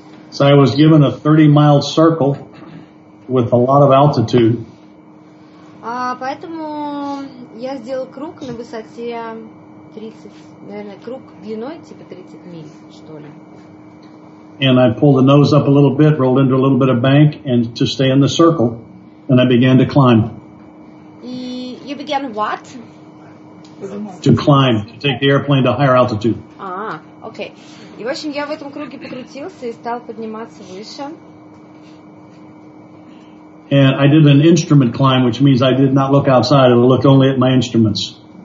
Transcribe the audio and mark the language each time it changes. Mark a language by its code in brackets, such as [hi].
[en] So I was given a 30-mile circle with a lot of altitude. [ru] Поэтому я сделал круг на высоте 30, наверное, круг длиной типа 30 миль, что ли. [en] And I pulled the nose up a little bit, rolled into a little bit of bank and to stay in the circle. And I began to climb. You began what? To climb, to take the airplane to higher altitude. Okay. [ru] И в общем, я в этом круге покрутился и стал подниматься выше. [en] And I did an instrument climb, which means I did not look outside, I looked only at my instruments.